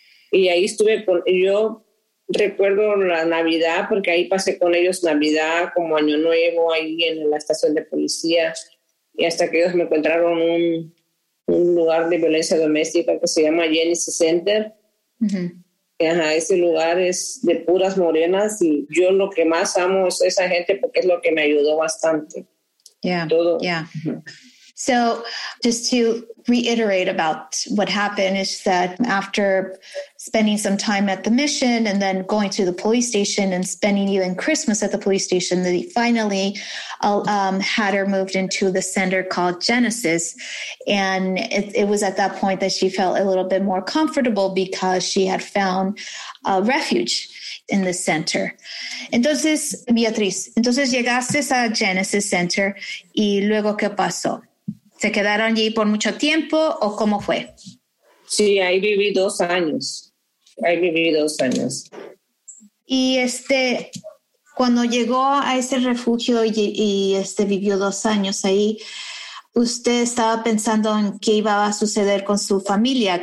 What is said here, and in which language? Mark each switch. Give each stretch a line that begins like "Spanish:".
Spanish: Y ahí estuve con, yo recuerdo la Navidad, porque ahí pasé con ellos Navidad, como Año Nuevo, ahí en la estación de policía, y hasta que ellos me encontraron un lugar de violencia doméstica que se llama Genesis Center. Uh-huh. Ajá, ese lugar es de puras morenas, y yo lo que más amo es esa gente, porque es lo que me ayudó bastante. Yeah. Todo. Yeah.
English: So just to reiterate about what happened is that after spending some time at the mission and then going to the police station and spending even Christmas at the police station, they finally had her moved into the center called Genesis. And it was at that point that she felt a little bit more comfortable because she had found a refuge in the center.
Spanish: Entonces, Beatriz, entonces llegaste a Genesis Center y luego ¿qué pasó? ¿Se quedaron allí por mucho tiempo o cómo fue? Sí, ahí viví 2 años. Ahí viví 2 años. Y cuando llegó a ese refugio y vivió 2 años ahí, ¿usted estaba pensando en qué iba a suceder con su familia?